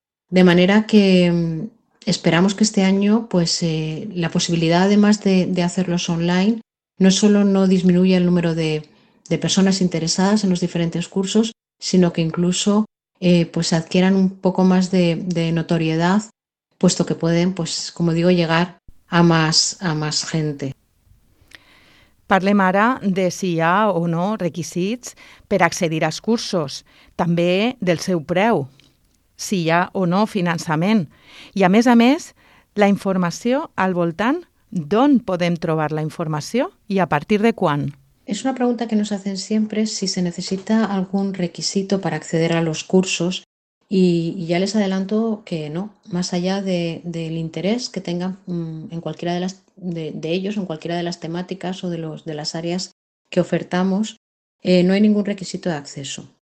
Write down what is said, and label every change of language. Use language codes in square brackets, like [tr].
[es] De manera que esperamos que este año pues, la posibilidad, además de hacerlos online, no solo no disminuya el número de personas interesadas en los diferentes cursos, sino que incluso pues, adquieran un poco más de notoriedad, puesto que pueden, pues, como digo, llegar a más gente. [ca] Parlem ara de si hi ha o no requisits per accedir als cursos, també del seu preu, si hi ha o no finançament. I a més, la informació al voltant, d'on podem trobar la informació i a partir de quan? [es] Es una pregunta que nos hacen siempre si se necesita algún requisito para acceder a los cursos y ya les adelanto que no, más allá del interés que tengan en cualquiera de ellos, en cualquiera de las temáticas o de las áreas que ofertamos, no hay ningún requisito de acceso.